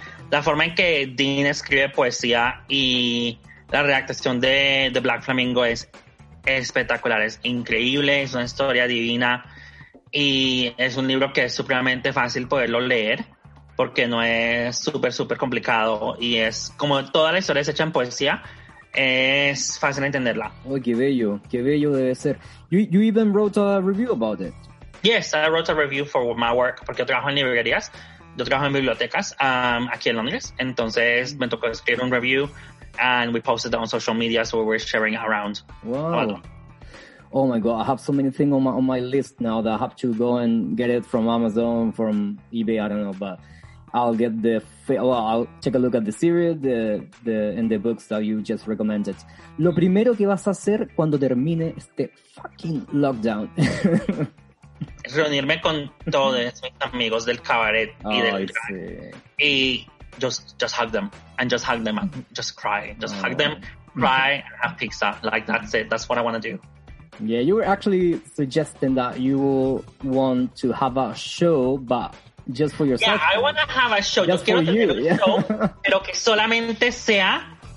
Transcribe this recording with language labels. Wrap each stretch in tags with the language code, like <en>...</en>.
<es>La forma en que Dean escribe poesía y la redactación de The Black Flamingo es espectacular, es increíble, es una historia divina y es un libro que es supremamente fácil poderlo leer porque no es súper, súper complicado y es como toda la historia es hecha en poesía, es fácil entenderla. Oh, qué bello debe ser.</es> <en>You even wrote a review about it. Yes, I wrote a review for my work</en> <es>porque yo trabajo en librerías, yo trabajo en bibliotecas aquí en Londres, entonces me tocó escribir un review.</es> <en>And we posted it on social media, so we were sharing it around. Wow. Oh my God, I have so many things on my list now that I have to go and get it from Amazon, from eBay, I don't know, but I'll get the, well, I'll take a look at the series, the and the books that you just recommended.</en> <es>Lo primero que vas a hacer cuando termine este</es> <en>fucking lockdown.</en> <es>Reunirme con todos mis amigos del cabaret y del drag.</es> <en>Just hug them and just hug them and just cry. Just hug them, cry and have pizza. Like, that's it. That's what I want to do. Yeah, you were actually suggesting that you want to have a show, but just for yourself. Yeah, I want to have a show. Just for you. Show,</en> <es>pero que solamente sea...</es>